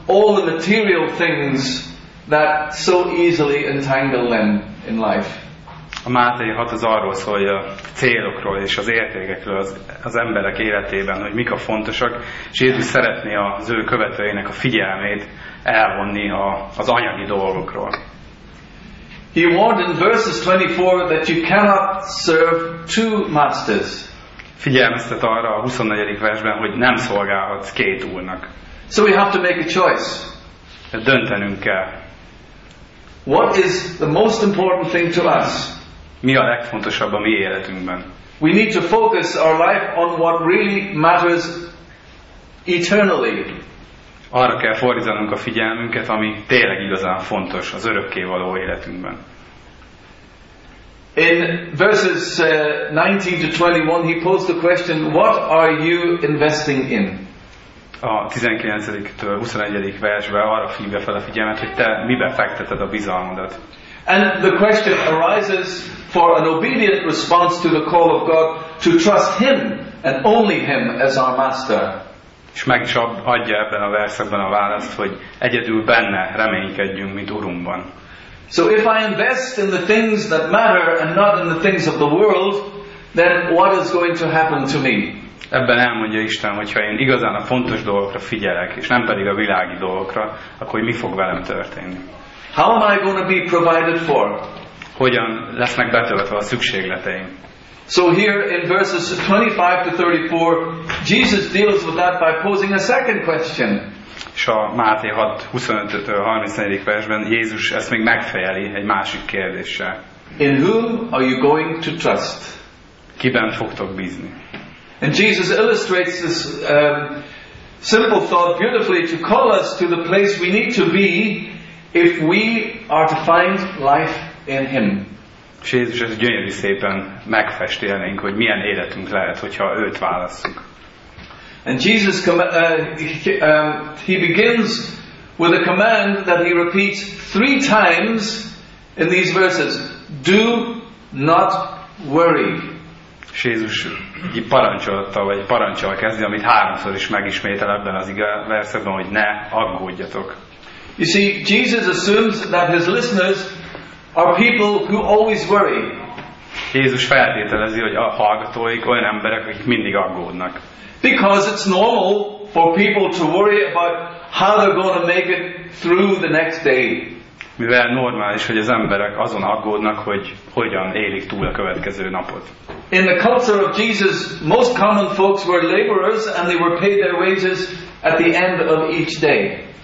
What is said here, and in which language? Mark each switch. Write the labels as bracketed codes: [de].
[en] all the material things that so easily entangle them in life. [hu] A Máté 6 az arról szól, hogy a célokról és az értékekről az emberek életében, hogy mik a fontosak, és Jézus szeretné az ő követőjének a figyelmét elvonni az anyagi dolgokról. [en] He warned in verses 24 that you cannot serve two masters. [hu] Figyelmeztet arra a 24. versben, hogy nem szolgálhatsz két úrnak. [en] So we have to make a choice. [hu] Döntenünk kell. [en] What is the most important thing to us? [hu] Mi a legfontosabb a mi életünkben? [en] We need to focus our life on what really matters eternally. [hu] Arra kell fordítanunk a figyelmünket, ami tényleg igazán fontos az örökké való életünkben. [en] In verses 19-21 he posed the question, what are you investing in? [hu] A 19-től 21. versben arra hívja fel a figyelmet, hogy te mibe fekteted a bizalmadat. [en] And the question arises for an obedient response to the call of God to trust him and only him as our master. [hu] És meg is adja ebben a versekben a választ, hogy egyedül benne reménykedjünk, mint Urunkban. [en] So if I invest in the things that matter and not in the things of the world, then what is going to happen to me? [hu] Ebben elmondja Isten, hogyha én igazán a fontos dolgokra figyelek, és nem pedig a világi dolgokra, akkor mi fog velem történni? [en] How am I going to be provided for? [hu] Hogyan lesznek betöltve a szükségleteim? [en] So here in verses 25-34, Jesus deals with that by posing a second question. [hu] És a Máté 6:25-34. Versben Jézus ezt még megfejeli egy másik kérdéssel. [en] In whom are you going to trust? [hu] Kiben fogtok bízni? [en] And Jesus illustrates this simple thought beautifully to call us to the place we need to be if we are to find life in him. [hu] És Jézus ezt gyönyörű szépen megfesti elénk, hogy milyen életünk lehet, hogyha őt válasszuk. [en] And Jesus he begins with a command that he repeats three times in these verses. Do not worry. [hu] És Jézus egy parancsolattal, vagy parancsal kezdi, amit háromszor is megismétel ebben az igaz versetben, hogy ne aggódjatok. [en] You see, Jesus assumes that his listeners are people who always worry. [hu] Jézus feltételezi, hogy a hallgatóik olyan emberek, akik mindig aggódnak. [en] Because it's normal for people to worry about how they're going to make it through the next day. [hu] Mivel normális, hogy az emberek azon aggódnak, hogy hogyan élik túl a következő napot. [en] In the culture of Jesus, most common folks were laborers and they were paid their wages at the end of each day.